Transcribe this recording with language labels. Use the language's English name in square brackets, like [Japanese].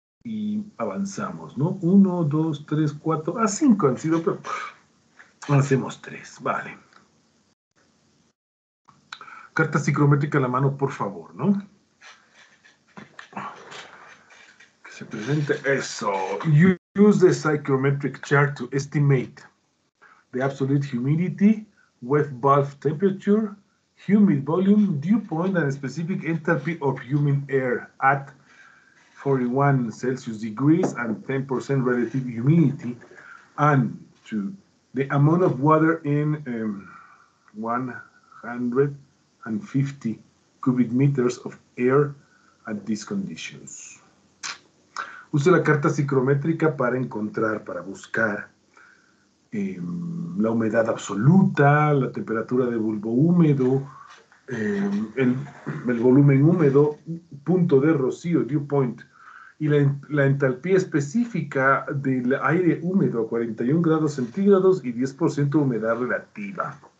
[Spanish] Y avanzamos, ¿no? 1, 2, 3, 4, 5 han sido, pero hacemos 3, vale. Carta psicrométrica a la mano, por favor, ¿no? Que se presente eso. [English] Use the psychrometric chart to estimate the absolute humidity, wet bulb temperature, humid volume, dew point, and specific enthalpy of humid air at 41 Celsius degrees and 10% relative humidity, and to the amount of water in 150 cubic meters of air at these conditions. [Spanish] Use la carta psicrométrica para encontrar, para buscar la humedad absoluta, la temperatura de bulbo húmedo, el volumen húmedo, punto de rocío, dew point, y la entalpía específica del aire húmedo a 41 grados centígrados y 10% humedad relativa.